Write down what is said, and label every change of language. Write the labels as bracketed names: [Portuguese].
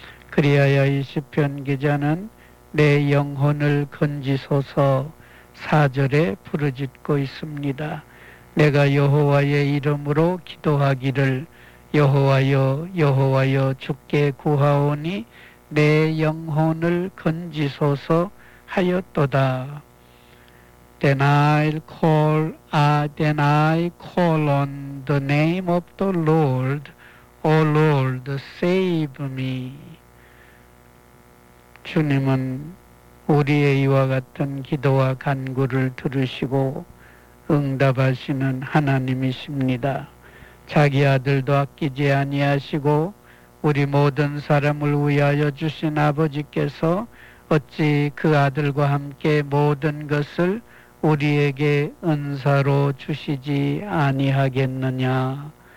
[Korean] 그리하여 이 시편 기자는 내 영혼을 건지소서 4절에 부르짖고 있습니다. 내가 여호와의 이름으로 기도하기를 여호와여 여호와여 주께 구하오니 내 영혼을 건지소서 하였도다. [English] Then I call, then I call on the name of the Lord. O Lord, save me. [Korean] 주님은 우리의 이와 같은 기도와 간구를 들으시고 응답하시는 하나님이십니다. 자기 아들도 아끼지 아니하시고 우리 모든 사람을 위하여 주신 아버지께서 어찌 그 아들과 함께 모든 것을 우리에게 은사로 주시지 아니하겠느냐.